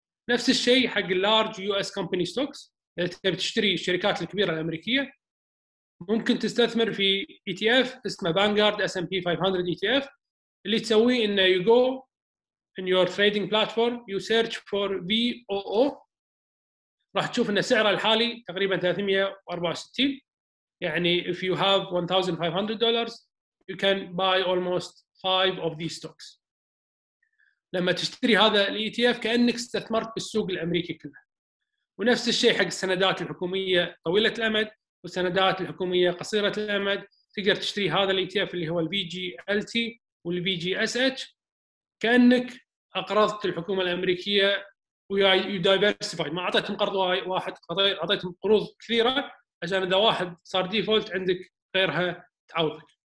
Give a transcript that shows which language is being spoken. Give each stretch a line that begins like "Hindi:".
Arabic: نفس الشيء حق اللارج يو اس كومباني ستوكس، إذا تبي تشتري الشركات الكبيرة الأمريكية ممكن تستثمر في ETF اسمه Vanguard S&P 500 ETF. اللي تسويه إنه
English: you go in your trading platform you search for VOO
Arabic: راح تشوف ان سعره الحالي تقريبا 364. يعني
English: if you have $1,500 you can buy almost 5 of these stocks.
Arabic: لما تشتري هذا الـ ETF كأنك استثمرت بالسوق الأمريكي كله. ونفس الشيء حق السندات الحكومية طويلة الأمد والسندات الحكومية قصيرة الأمد، تقدر تشتري هذا الـ ETF اللي هو الـ VGLT والـ VGSH كأنك أقرضت الحكومة الأمريكية ويدايفرسيفايد، ما أعطيتهم قرض واحد، أعطيتهم قروض كثيرة عشان إذا واحد صار ديفولت عندك غيرها تعوضك.